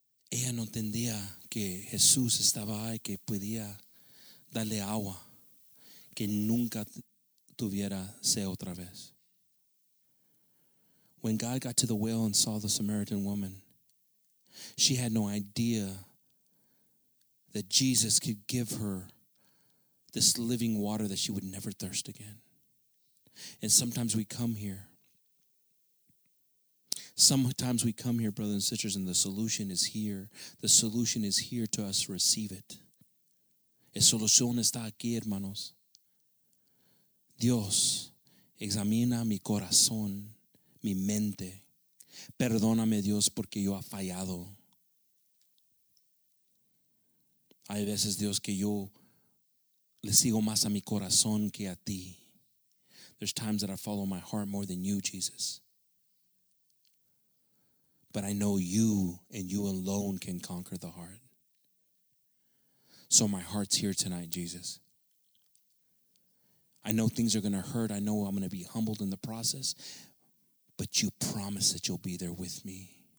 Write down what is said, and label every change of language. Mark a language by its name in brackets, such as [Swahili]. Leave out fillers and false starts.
[Spanish] ella no entendía que Jesús estaba ahí, que podía darle agua, que nunca tuviera sed otra vez. [English] When God got to the well and saw the Samaritan woman, she had no idea that Jesus could give her this living water that she would never thirst again. And sometimes we come here. Sometimes we come here, brothers and sisters, and the solution is here. The solution is here to us to receive it. [Spanish] La solución está aquí, hermanos. Dios, examina mi corazón, mi mente. Perdóname, Dios, porque yo he fallado. Hay veces, Dios, que yo le sigo más a mi corazón que a ti. [English] There's times that I follow my heart more than you, Jesus. But I know you and you alone can conquer the heart. So my heart's here tonight, Jesus. I know things are going to hurt. I know I'm going to be humbled in the process. But you promise that you'll be there with me.